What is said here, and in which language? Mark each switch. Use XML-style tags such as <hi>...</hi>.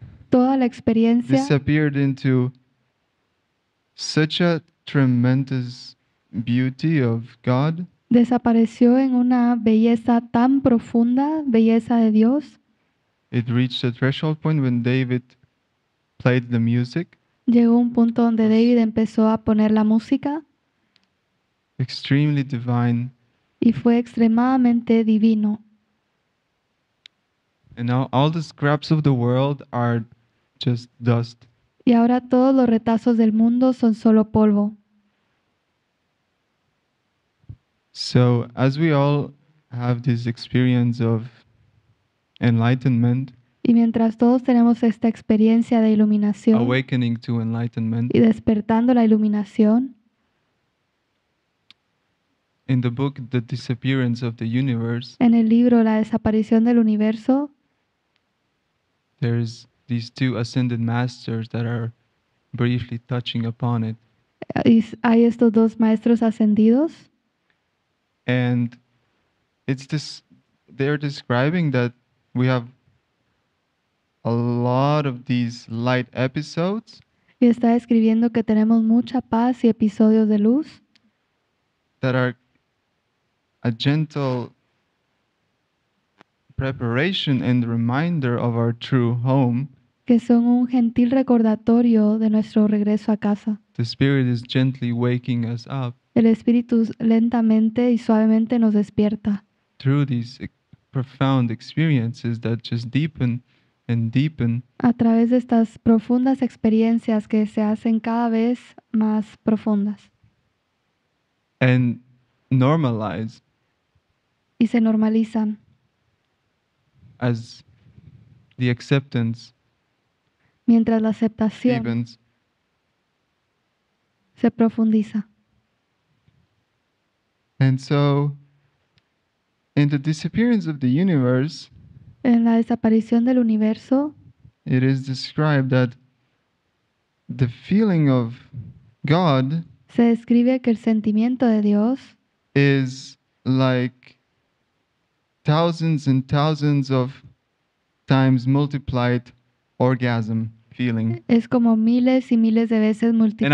<es>toda la experiencia,</es> <en>disappeared into such a tremendous beauty of God.</en> <es>Desapareció en una belleza tan profunda, belleza de Dios.</es> <en>It reached a threshold point when David played the music.</en> <es>Llegó un punto donde David empezó a poner la música.</es> <en>Extremely divine.</en> <es>Y fue extremadamente divino.</es> <en>And now all the scraps of the world are just dust.</en> <es>Y ahora todos los retazos del mundo son solo polvo.</es> <en>So, as we all have this experience of enlightenment,</en> <es>y mientras todos tenemos esta experiencia de iluminación,</es> <en>awakening to enlightenment,</en> <es>y despertando la iluminación,</es> <en>in the book The Disappearance of the Universe,</en> <es>en el libro La Desaparición del Universo,</es> <en>there's these two ascended masters that are briefly touching upon it.</en> <es>Hay estos dos maestros ascendidos.</es> <en>And it's this, they're describing that we have a lot of these light episodes.</en> <es>Y está describiendo que tenemos mucha paz y episodios de luz.</es> <en>That are a gentle preparation and reminder of our true home.</en> <es>Que son un gentil recordatorio de nuestro regreso a casa.</es> <en>The Spirit is gently waking us up.</en> <es>El Espíritu lentamente y suavemente nos despierta.</es> <en>Through these profound experiences that just deepen and deepen.</en> <es>A través de estas profundas experiencias que se hacen cada vez más profundas.</es> <en>And normalize.</en> <es>Y se normalizan.</es> <en>As the acceptance.</en> <es>Mientras la aceptación.</es> <en>Deepens.</en> <es>Se profundiza.</es> <en>And so, in the disappearance of the universe,</en> <es>En la desaparición del universo,</es> <en>it is described that the feeling of God,</en> <es>se describe que el sentimiento de Dios,</es> <en>is like thousands and thousands of times multiplied orgasm feeling.</en> <es>Es como miles y miles de veces multiplicado.</es>